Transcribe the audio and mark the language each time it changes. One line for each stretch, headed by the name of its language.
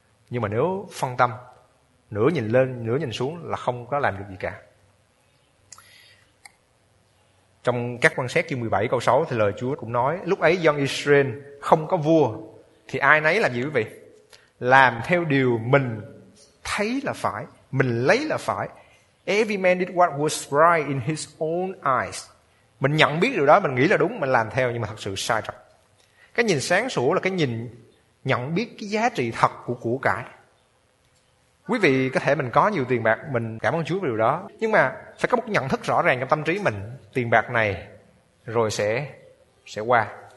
Vietnamese: Nhưng mà nếu phân tâm, nửa nhìn lên, nửa nhìn xuống là không có làm được gì cả. Trong các quan sát chương 17 câu 6 thì lời Chúa cũng nói, lúc ấy dân Israel không có vua, thì ai nấy làm gì quý vị? Làm theo điều mình thấy là phải, mình lấy là phải.
English: Every man did what was right in his own eyes.
Vietnamese: Mình nhận biết điều đó, mình nghĩ là đúng, mình làm theo, nhưng mà thật sự sai trật. Cái nhìn sáng sủa là cái nhìn nhận biết cái giá trị thật của củ cải. Quý vị có thể mình có nhiều tiền bạc, mình cảm ơn Chúa về điều đó, nhưng mà phải có một nhận thức rõ ràng trong tâm trí mình, tiền bạc này rồi sẽ qua.